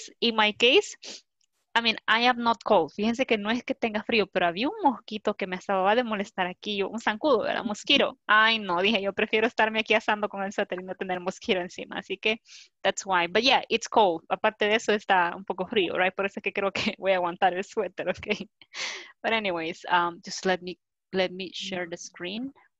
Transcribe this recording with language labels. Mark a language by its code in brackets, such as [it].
[en] In my case, I mean, I am not cold. [es] Fíjense que no es que tenga frío, pero había un mosquito que me estaba de molestar aquí. Un zancudo, ¿verdad? Mosquito. Ay, no. Dije, yo prefiero estarme aquí asando con el suéter y no tener mosquito encima. Así que, [en] that's why. But yeah, it's cold. [es] Aparte de eso, está un poco frío, right? Por eso es que creo que voy a aguantar el suéter, okay? [en] But anyways, just let me share the screen.